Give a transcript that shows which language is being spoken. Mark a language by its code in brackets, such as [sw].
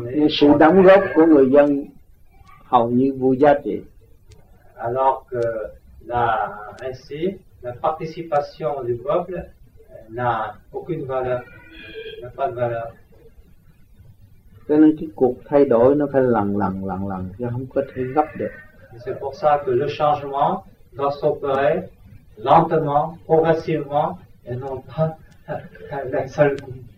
[vi] Sự đóng góp của người dân hầu như vô giá trị. [fr] Alors que la participation du peuple n'a aucune valeur, n'a pas de valeur. [vi] Cho nên cái cuộc thay đổi nó phải lần lần, chứ không có thể gấp được. [fr] C'est pour ça que le changement doit s'opérer lentement, progressivement, et non pas d'un seul coup.